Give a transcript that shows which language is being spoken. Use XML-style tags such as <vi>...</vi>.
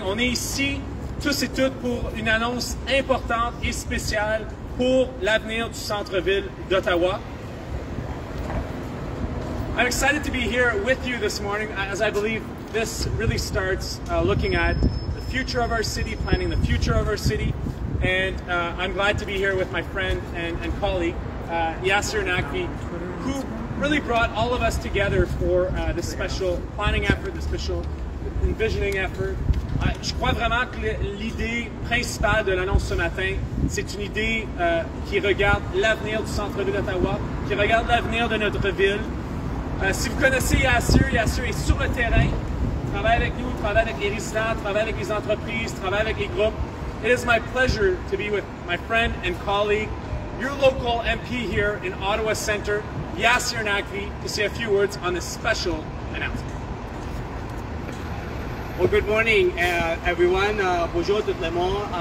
<fr>On est ici, tous et toutes, pour une annonce importante et spéciale pour l'avenir du centre-ville d'Ottawa.</fr> <en>I'm excited to be here with you this morning, as I believe this really starts looking at the future of our city, planning the future of our city. And I'm glad to be here with my friend and colleague, Yasser Naqvi, who really brought all of us together for this special planning effort, this special envisioning effort.</en> <fr>Je crois vraiment que l'idée principale de l'annonce ce matin, c'est une idée qui regarde l'avenir du centre-ville d'Ottawa, qui regarde l'avenir de notre ville. Si vous connaissez Yasser, Yasser est sur le terrain, travaille avec nous, travaille avec Erisna, travaille avec les entreprises, travaille avec les groupes.</fr> <en>It is my pleasure to be with my friend and colleague, your local MP here in Ottawa Centre, Yasser Naqvi, to say a few words on this special announcement. Well, good morning, everyone.</en> <fr>Bonjour tout le monde.</fr>